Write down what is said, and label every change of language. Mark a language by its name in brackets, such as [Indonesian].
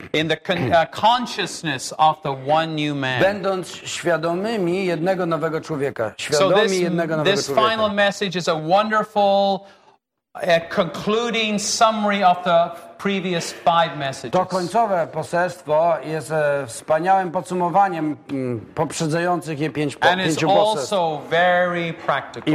[English] in the consciousness of the one new man. [Polish] Będąc świadomymi jednego nowego człowieka. Świadomi jednego nowego człowieka. [English] This final message is a wonderful concluding summary of the previous five messages. [Polish] To końcowe poselstwo jest wspaniałym podsumowaniem poprzedzających je pięć poselstw. [English] And is also very practical.